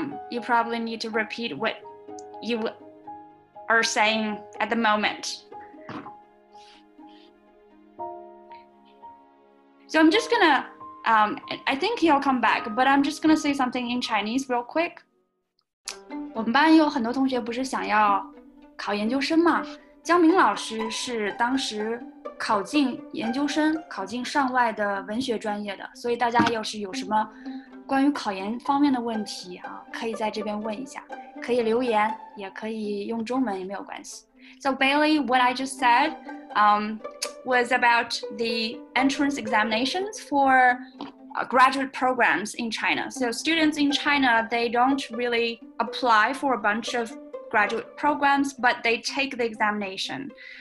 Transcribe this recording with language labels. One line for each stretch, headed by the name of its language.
English: You probably need to repeat what you are saying at the moment. So I'm just gonna, I think he'll come back, but I'm just gonna say something in Chinese real quick.
Chinese: 我们班有很多同学不是想要考研究生吗？江明老师是当时考进研究生、考进上外的文学专业的，所以大家要是有什么关于考研方面的问题啊，可以在这边问一下，可以留言，也可以用中文也没有关系。
English: So Bailey, what I just said, was about the entrance examinations for graduate programs in China. So students in China, they don't really apply for a bunch of graduate programs, but they take the examination.